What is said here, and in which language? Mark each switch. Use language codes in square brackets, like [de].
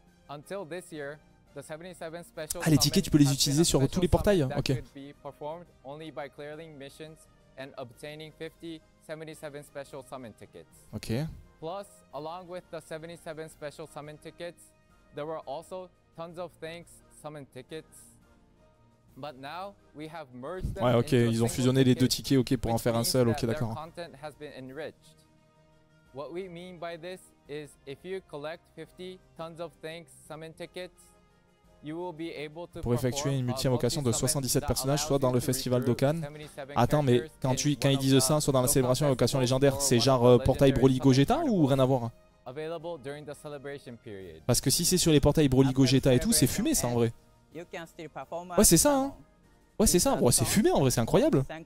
[en] Until this year, the 77 special [fr] ah, les tickets, tu peux les utiliser sur tous les portails, ok. [en] Only by clearing missions and obtaining 50 77 special summon tickets. Ok. Plus, along with the 77 special summon tickets, there were also tons of thanks summon tickets. But now we have merged them. [fr] Ouais, ok, ils ont fusionné les deux tickets, ok, pour en faire un seul, ok, d'accord. [en] Content has been enriched. What we mean by this is if you collect 50 tons of thanks summon tickets, you will be able to [fr] pour effectuer une multi-invocation de 77 personnages, soit dans le festival Dokkan. Attends, mais quand ils disent ça, soit dans la célébration invocation légendaire, c'est genre portail Broly Gogeta ou rien à voir? [en] Available during the celebration period. [fr] Parce que si c'est sur les portails Broly Gogeta et tout, c'est fumé ça en vrai. Ouais, c'est ça, hein. Ouais, c'est ça. Ouais, c'est fumé en vrai, c'est incroyable.